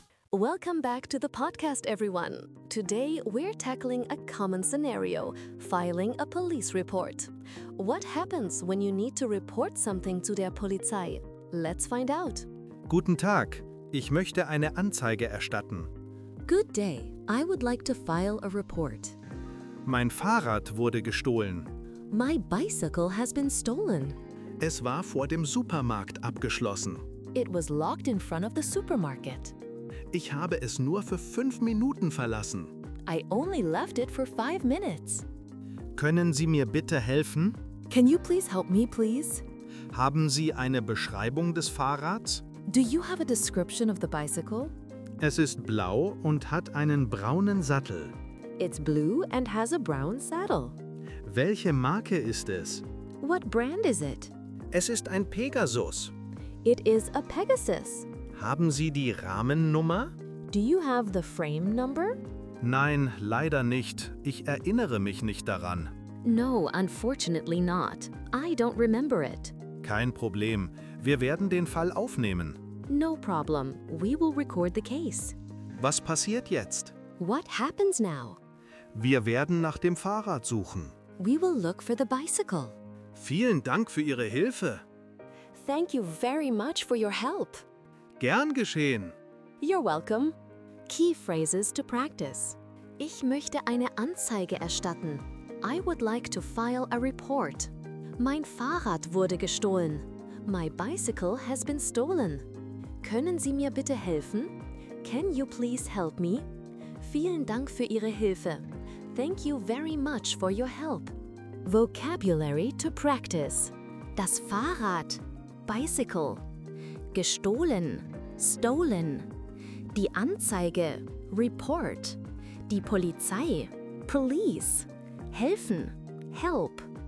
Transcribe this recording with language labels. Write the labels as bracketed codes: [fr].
[en] Welcome back to the podcast, everyone. Today, we're tackling a common scenario, filing a police report. What happens when you need to report something to [de] der Polizei? [en] Let's find out. [de] Guten Tag, ich möchte eine Anzeige erstatten. [en] Good day, I would like to file a report. [de] Mein Fahrrad wurde gestohlen. [en] My bicycle has been stolen. [de] Es war vor dem Supermarkt abgeschlossen. [en] It was locked in front of the supermarket. [de] Ich habe es nur für 5 Minuten verlassen. [en] I only left it for 5 minutes. [de] Können Sie mir bitte helfen? [en] Can you please help me, please? [de] Haben Sie eine Beschreibung des Fahrrads? [en] Do you have a description of the bicycle? [de] Es ist blau und hat einen braunen Sattel. [en] It's blue and has a brown saddle. [de] Welche Marke ist es? [en] What brand is it? [de] Es ist ein Pegasus. [en] It is a Pegasus. [de] Haben Sie die Rahmennummer? [en] Do you have the frame number? [de] Nein, leider nicht. Ich erinnere mich nicht daran. [en] No, unfortunately not. I don't remember it. [de] Kein Problem. Wir werden den Fall aufnehmen. [en] No problem. We will record the case. [de] Was passiert jetzt? [en] What happens now? [de] Wir werden nach dem Fahrrad suchen. [en] We will look for the bicycle. [de] Vielen Dank für Ihre Hilfe. [en] Thank you very much for your help. [de] Gern geschehen. [en] You're welcome. Key phrases to practice. [de] Ich möchte eine Anzeige erstatten. [en] I would like to file a report. [de] Mein Fahrrad wurde gestohlen. [en] My bicycle has been stolen. [de] Können Sie mir bitte helfen? [en] Can you please help me? [de] Vielen Dank für Ihre Hilfe. [en] Thank you very much for your help. Vocabulary to practice. [de] Das Fahrrad. Bicycle. Gestohlen, stolen, die Anzeige, report, die Polizei, police, helfen, help.